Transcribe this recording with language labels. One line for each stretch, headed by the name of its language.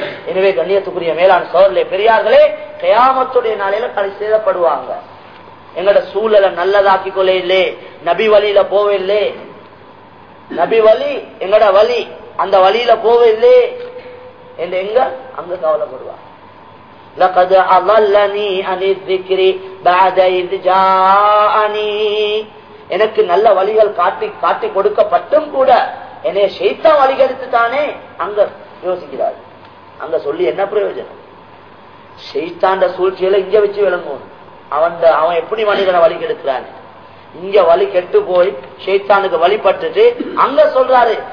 Tamil: எனவே கண்ணியத்துக்குரிய மேலான சோர்லே பெரியார்களே, கயாமத்துடைய நாளையில கலை சேதப்படுவாங்க. எங்களோட சூழலை நல்லதாக்கி கொள்ளையில்லே, நபி வழியில போவே இல்லை, நபி வலி எங்கட வலி, அந்த வழியில போவதில்லை என்று எங்க அங்க கவலைப்படுவார்.
Arabic: لقد اضلني عن الذكر بعد اذ جاءني
Tamil: எனக்கு நல்ல வழிகள் காட்டி காட்டி கொடுக்கப்பட்டும் கூட என்னை ஷைத்தான் வழிகெடுத்துட்டானே. அங்க யோசிக்கிறார், அங்க சொல்லி என்ன பிரயோஜனம்? ஷைத்தாண்ட சூழ்ச்சியில இங்க வச்சு விளங்கும். அவன் அவன் எப்படி மனிதனை வழி கெடுக்கிறானே? இங்க வழி கெட்டு போய் ஷைத்தானுக்கு வழிபட்டுட்டு அங்க சொல்றாரு,